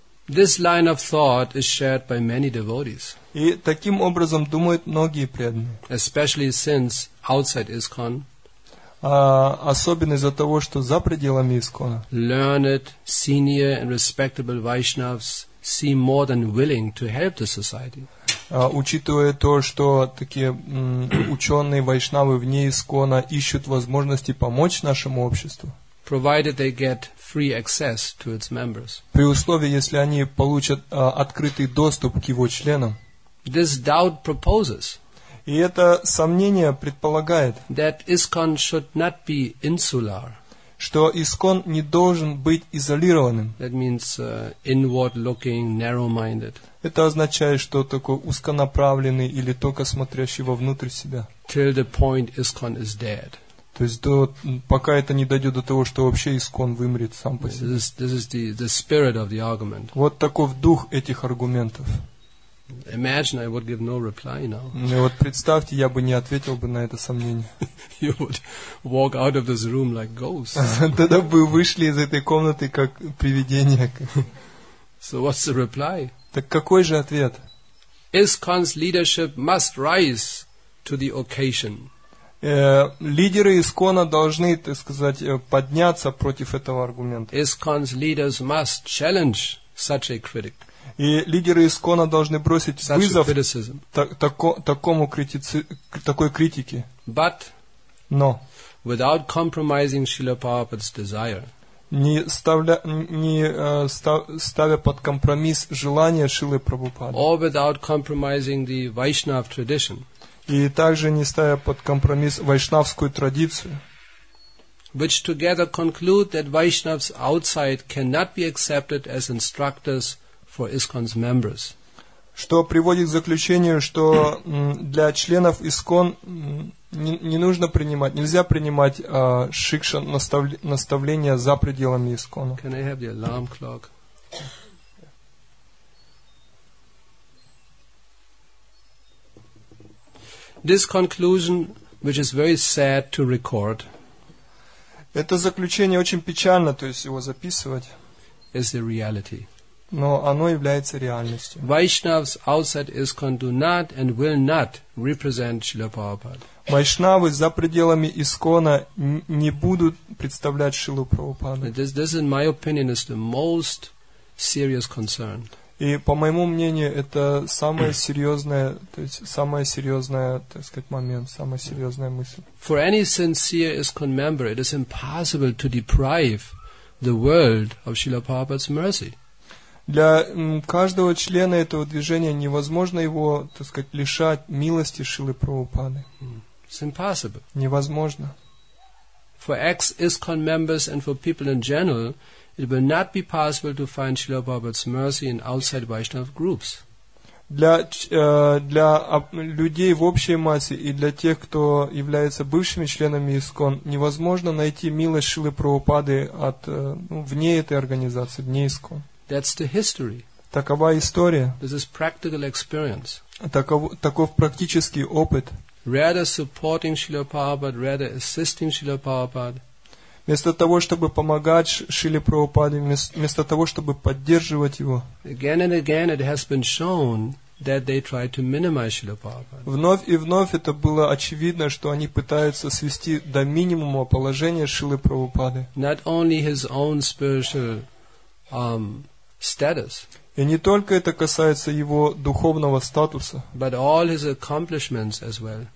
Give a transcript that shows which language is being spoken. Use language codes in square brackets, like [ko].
[en] This line of thought is shared by many devotees. [ru] И таким образом думают многие преданные. [en] Especially since outside ISKCON. [ru] Особенно из-за того, что за пределами ИСКОНа. [en] Learned, senior and respectable Vaishnavs seem more than willing to help the society. [ru] Учитывая то, что такие ученые вайшнавы вне ИСКОНа ищут возможности помочь нашему обществу. [en] Provided they get free access to its members. [ru] При условии, если они получат открытый доступ к его членам. [en] This doubt proposes. [ru] И это сомнение предполагает, [en] that ISKCON should not be insular. [ru] Что ИСКОН не должен быть изолированным. [en] That means inward-looking, narrow-minded. [ru] Это означает, что такой узконаправленный или только смотрящий вовнутрь себя. [en] Till the point ISKCON is dead. [ru] То есть до, пока это не дойдет до того, что вообще ИСКОН вымрет сам по себе. [en] This is the spirit of the argument. [ru] Вот таков дух этих аргументов. [en] Imagine I would give no reply now. [ru] Ну вот представьте, я бы не ответил бы на это сомнение. [en] You would walk out of this room like ghosts. [ru] Тогда бы вышли из этой комнаты как привидения. [en] So what's the reply? [ru] Так какой же ответ? [en] ISKCON's leadership must rise to the occasion. [ru] Лидеры ИСКОНа должны, так сказать, подняться против этого аргумента. [en] ISKCON's leaders must challenge such a critic. [ru] И лидеры ИСКОНа должны бросить [en] such [ru] вызов такому такой критике. [en] But no. Without compromising Srila Prabhupada's desire. [ru] Не ставя под компромисс желание Шрилы Прабхупады. [en] Or without compromising the Vaishnav tradition. [ru] И также не ставя под компромисс вайшнавскую традицию. [en] Which together conclude that Vaishnavs outside cannot be accepted as instructors for ISKCON's members. [ru] Что приводит к заключению, что для членов ИСКОН не нужно принимать, нельзя принимать шикша наставления за пределами ИСКОНа. [en] Can I have the alarm clock? This conclusion, which is very sad to record. [ru] Это заключение очень печально, то есть его записывать. [en] Is the reality. [ru] Но оно является реальностью. [en] Vaishnavs outside ISKCON do not and will not represent Srila Prabhupada. [ru] Vaishnavы за пределами ИСКОНа не будут представлять Шрилу Прабхупаду. [en] This, in my opinion, is the most serious concern. [ru] И по моему мнению, это самое серьезное, то есть самое серьезное, так сказать, момент, самая серьезная мысль. [en] For any sincere ISKCON member, it is impossible to deprive the world of Srila Prabhupada's mercy. [ru] Для каждого члена этого движения невозможно его, так сказать, лишать милости Шрилы Прабхупады. [en] It's impossible. [ru] Невозможно. [en] For ex-ISKCON members and for people in general, it will not be possible to find Srila Prabhupada's mercy in outside Vaishnava groups. [ru] Для людей в общей массе и для тех, кто является бывшими членами ИСКОН, невозможно найти милость Шрилы Прабхупады вне этой организации, вне ИСКОН. [en] That's the history. [ru] Такова история. [en] This is practical experience. [ru] Таков практический опыт. [en] Rather supporting Srila Prabhupada, rather assisting Srila Prabhupada. [ru] Вместо того, чтобы помогать Шриле Прабхупаде, вместо того, чтобы поддерживать его. [en] Again and again it has been shown that they try to minimize Srila Prabhupada. [ru] Вновь и вновь это было очевидно, что они пытаются свести до минимума положение Шрилы Прабхупады. [en] Not only his own spiritual status. [ru] И не только это касается его духовного статуса, [en] but all his accomplishments as well.